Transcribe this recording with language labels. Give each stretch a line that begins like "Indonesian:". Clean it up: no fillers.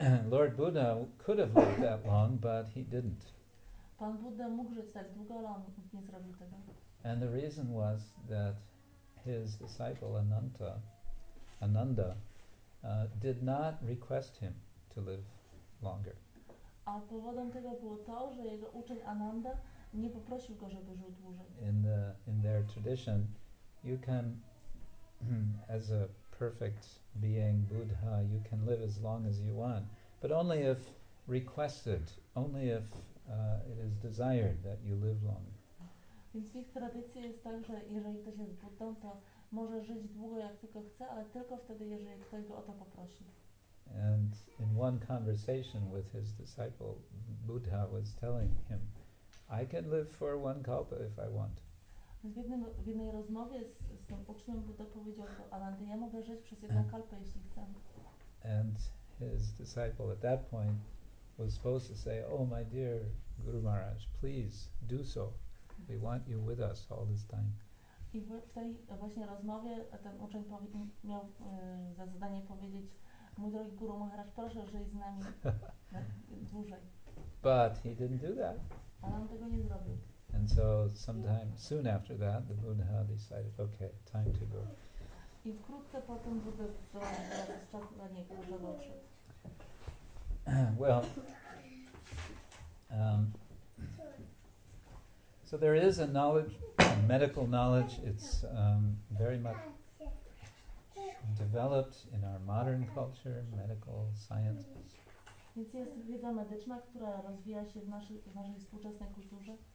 English: Lord Buddha could have lived that long, but he didn't.
Polish: Pan Buddha mógł żyć tak długo, ale on nie zrobił tego.
English: And the reason was that his disciple Ananda, did not request him to live longer.
Polish: A powodem tego było to, że jego uczeń Ananda nie poprosił go, żeby żył dłużej.
English: In their tradition, you can, as a perfect being, Buddha, you can live as long as you want, but only if requested, only if it is desired that you live longer.
Polish: Więc w ich tradycji jest tak, że jeżeli ktoś jest Buddą, to może żyć długo, jak tylko chce, ale tylko wtedy, jeżeli ktoś go o to poprosi.
English: And in one conversation with his disciple, Buddha was telling him, I can live for one kalpa if I want.
Polish: W jednej rozmowie z tym uczniem Buddha powiedział, Ananda, ja mogę żyć przez jedną kalpę, jeśli chcę.
English: And his disciple at that point was supposed to say, oh, my dear Guru Maharaj, please do so. We want you with us all this time.
Polish: I w tej właśnie rozmowie ten uczeń miał za zadanie powiedzieć, mój drogi Guru Maharaj, proszę żyj z nami dłużej.
English: But he didn't do that.
Polish: Ale on tego nie zrobił.
English: And so sometime soon after that, the Buddha decided, okay, time to go.
Polish: I wkrótce potem Buddha zrobił czas na niego, żeby odszedł.
English: Well, so there is a knowledge, a medical knowledge. It's very much developed in our modern culture, medical science.
Polish: Więc jest wiedza medyczna, która rozwija się w naszej współczesnej kulturze.